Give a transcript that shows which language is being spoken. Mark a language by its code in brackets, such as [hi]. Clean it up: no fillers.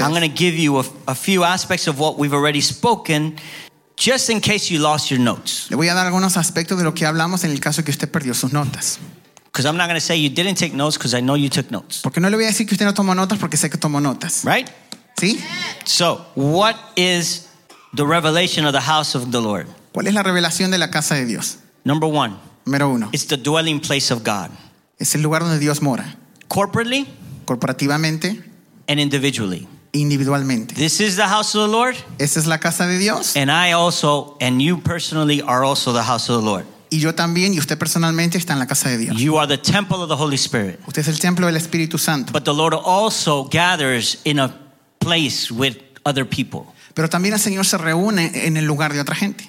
[en] I'm going to give you a few aspects of what we've already spoken. Just in case you lost your notes. [es] Le voy a dar algunos aspectos de lo que hablamos en el caso que usted perdió sus notas. [en] Because I'm not going to say you didn't take notes because I know you took notes. [es] Porque no le voy a decir que usted no tomó notas porque sé que tomó notas. [en] Right? [es] ¿Sí? [en] So, what is the revelation of the house of the Lord? [es] ¿Cuál es la revelación de la casa de Dios? [en] Number one. [es] Número uno. [en] It's the dwelling place of God. [es] Es el lugar donde Dios mora. [en] Corporately. [es] Corporativamente. [en] And individually. [es] Individualmente. [en] This is the house of the Lord. [es] Esta es la casa de Dios. [en] And I also, and you personally are also the house of the Lord. [es] Y yo también, y usted personalmente está en la casa de Dios. [en] You are the temple of the Holy Spirit. [es] Usted es el templo del Espíritu Santo. [en] But the Lord also gathers in a place with other people. [es] Pero también el Señor se reúne en el lugar de otra gente.